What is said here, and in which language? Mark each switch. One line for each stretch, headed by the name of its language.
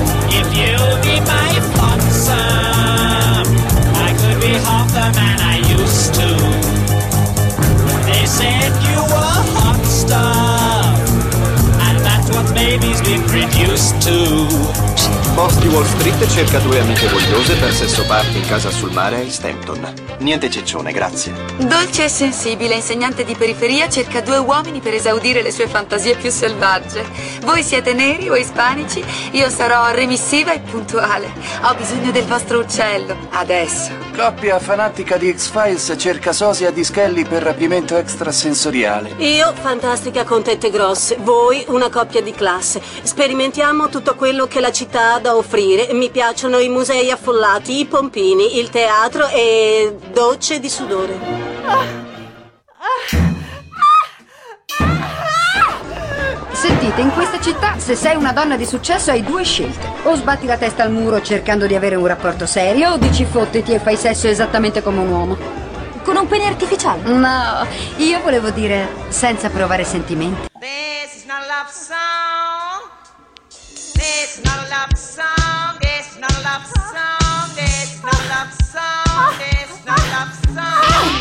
English: If you'll be my flotsam, I could be half the man I used to. They said you were hot stuff, and that's what babies be reduced to.
Italian: Posti Wall Street cerca due amiche vogliose per sesso party in casa sul mare a East Hampton. Niente ciccione, grazie. Dolce e sensibile, insegnante di periferia cerca due uomini per esaudire le sue fantasie più selvagge. Voi siete neri o ispanici, io sarò remissiva e puntuale. Ho bisogno del vostro uccello, adesso. Coppia fanatica di X-Files cerca sosia di Skelly per rapimento extrasensoriale. Io, fantastica con tette grosse, voi, una coppia di classe. Sperimentiamo tutto quello che la città da offrire. Mi piacciono i musei affollati, i pompini, il teatro e docce di sudore. Sentite, in questa città se sei una donna di successo hai due scelte: o sbatti la testa al muro cercando di avere un rapporto serio, o dici fottiti e fai sesso esattamente come un uomo con un pene artificiale. No, io volevo dire senza provare sentimenti.
English: This is not love song. This is not a love song, it's not a love song, it's not a love song, it's not a love song.